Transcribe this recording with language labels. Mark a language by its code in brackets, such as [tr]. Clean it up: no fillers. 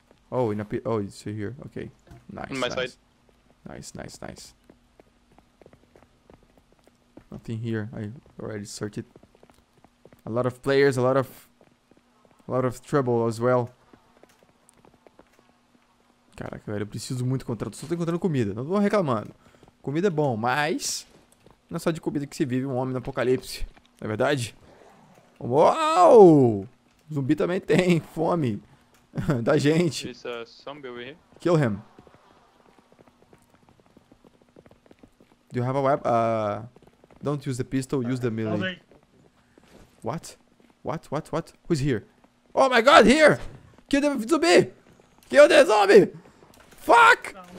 [en] Oh, in a pi- oh, it's here. Okay. Nice. On my side. Nice. Nothing here, I already searched it. A lot of players, a lot of trouble as well. [pt] Caraca, velho, eu preciso muito contrato, só tô encontrando comida, não tô reclamando. Comida é bom, mas não é só de comida que se vive um homem no apocalipse, não é verdade? Uau! Zumbi também tem fome. Da gente. [en] There's a zombie over here. Kill him. Do you have a weapon? Don't use the pistol, use the melee. Okay. What? What? What? What? Who's here? Oh my god, here! Kill the zombie! Kill the zombie! Fuck!